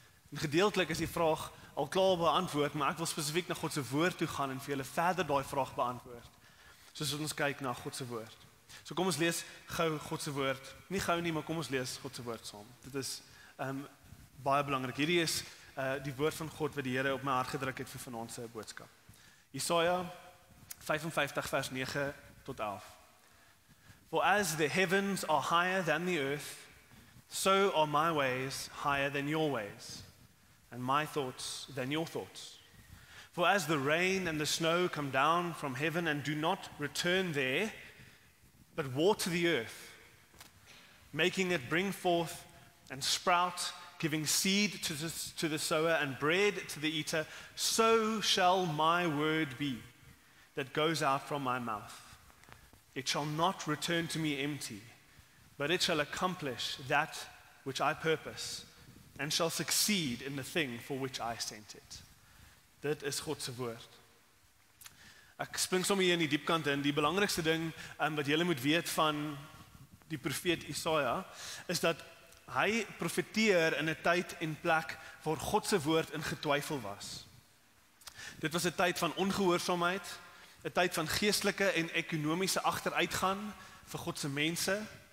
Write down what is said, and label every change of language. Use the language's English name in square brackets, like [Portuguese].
[Afrikaans] En gedeeltelik is die vraag al klaar beantwoord, maar ek wil spesifiek na God se woord toe gaan en vir julle verder daai vraag beantwoord, soos ons kyk na God se woord. So kom ons lees gou God se woord, nie gou nie, maar kom ons lees God se woord saam. Dit is baie belangrik. Hierdie is die woord van God wat die Here op my hart gedruk het vir vanaand se boodskap. Jesaja 55 vers 9 tot 11. [English] For as the heavens are higher than the earth, so are my ways higher than your ways, and my thoughts than your thoughts. For as the rain and the snow come down from heaven and do not return there, but water the earth, making it bring forth and sprout, giving seed to the sower and bread to the eater, so shall my word be that goes out from my mouth. It shall not return to me empty, but it shall accomplish that which I purpose and shall succeed in the thing for which I sent it. [Afrikaans] Dit is God se woord. Ek spring sommer hier in die diepkant in. Die belangrikste ding wat jy moet weet van die profeet Jesaja, is dat hy profeteer in 'n tyd en plek waar God se woord in getwyfel was. Dit was 'n tyd van ongehoorsaamheid, 'n tyd van geestelike en ekonomiese agteruitgang vir God se mense.